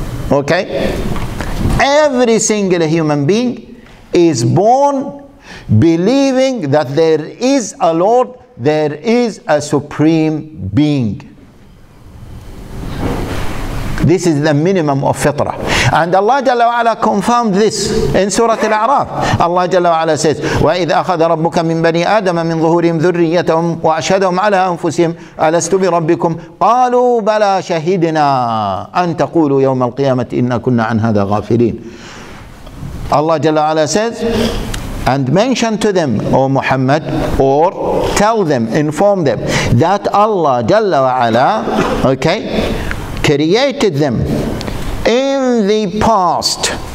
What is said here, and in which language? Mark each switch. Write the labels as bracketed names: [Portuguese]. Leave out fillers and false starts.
[English] Okay, every single human being is born believing that there is a Lord, there is a supreme being. This is the minimum of fitrah. And Allah Jalla wa Ala confirmed this in Surah Al-A'raf. Allah Jalla wa Ala says, [Arabic] وَإِذْ أَخَذَ رَبُّكَ مِنْ بَنِي آدَمَ مِنْ ظُهُورِهِمْ ذُرِّيَّتَهُمْ وَأَشْهَدَهُمْ عَلَىٰ أَنفُسِهِمْ أَلَسْتُ بِرَبِّكُمْ قَالُوا بَلَىٰ شَهِدْنَا أَن تَقُولُوا يَوْمَ الْقِيَامَةِ إِنَّا كُنَّا عَنْ هَذَا غَافِلِينَ. [English] Allah Jalla wa Ala says, and mention to them, O Muhammad, or tell them, inform them, that Allah Jalla wa Ala, okay, created them in the past,